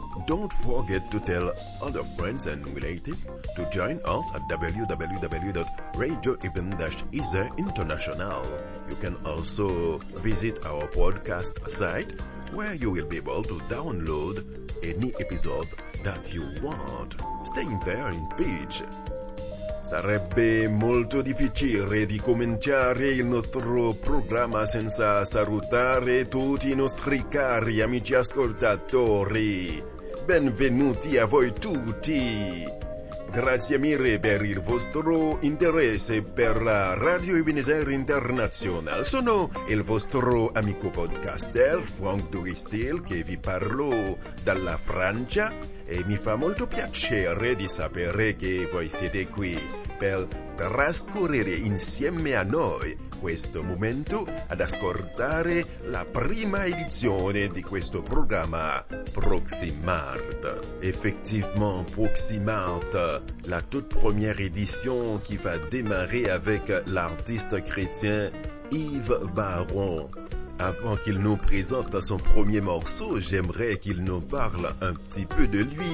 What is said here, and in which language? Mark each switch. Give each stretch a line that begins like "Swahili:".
English: Don't forget to tell other friends and relatives to join us at www.radioeben-ezerinternational. You can also visit our podcast site where you will be able to download any episode that you want. Stay there in peace.
Italian: Sarebbe molto difficile di cominciare il nostro programma senza salutare tutti i nostri cari amici ascoltatori. Benvenuti a voi tutti. Grazie mille per il vostro interesse per la Radio Ebenezer International. Sono il vostro amico podcaster Franck Doristil che vi parlo dalla Francia e mi fa molto piacere di sapere che voi siete qui per trascorrere insieme a noi questo momento ad ascoltare la prima edizione di questo programma Proximante.
French: Effectivement, Proximante, la toute première édition qui va démarrer avec l'artiste chrétien Yves Baron. Avant qu'il nous présente son premier morceau, j'aimerais qu'il nous parle un petit peu de lui.